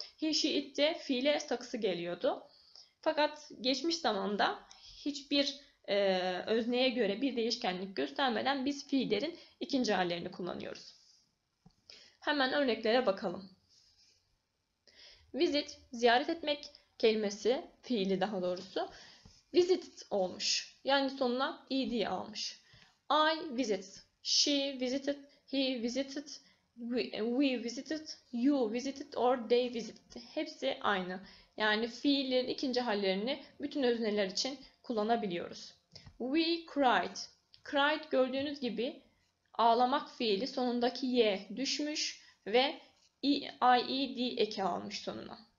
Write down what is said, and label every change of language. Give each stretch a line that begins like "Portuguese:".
Turkish: He, she, it'te fiile takısı geliyordu. Fakat geçmiş zamanda hiçbir özneye göre bir değişkenlik göstermeden biz fiillerin ikinci hallerini kullanıyoruz. Hemen örneklere bakalım. Visit, ziyaret etmek kelimesi, fiili daha doğrusu, visited olmuş. Yani sonuna ed almış.
English: I visit, she visited, he visited, we visited, you visited or they visited.
Turkish: Hepsi aynı. Yani fiillerin ikinci hallerini bütün özneler için kullanabiliyoruz.
English: We cried.
Turkish: Cried, gördüğünüz gibi ağlamak fiili, sonundaki y düşmüş ve ied eki almış sonuna.